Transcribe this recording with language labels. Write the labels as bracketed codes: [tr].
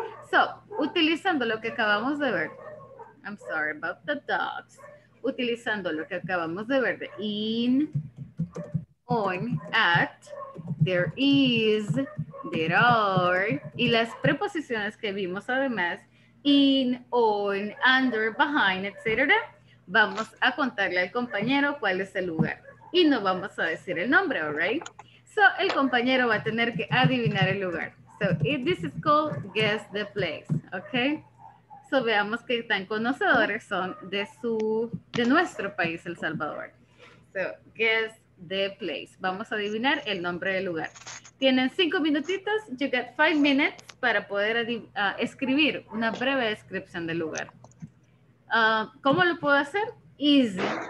[es] So, utilizando lo que acabamos de ver, [en] I'm sorry about the dogs, [es] utilizando lo que acabamos de ver de in, on, at, there is, there are, y las preposiciones que vimos además, in, on, under, behind, etc., vamos a contarle al compañero cuál es el lugar. Y no vamos a decir el nombre, all right? So, el compañero va a tener que adivinar el lugar. [en] So, if this is called guess the place, okay? [es] So, veamos qué tan conocedores son de su, de nuestro país, El Salvador. So, [en] guess the place. [es] Vamos a adivinar el nombre del lugar. Tienen 5 minutitos. [en] You got 5 minutes [es] para poder escribir una breve descripción del lugar. ¿Cómo lo puedo hacer? Easy.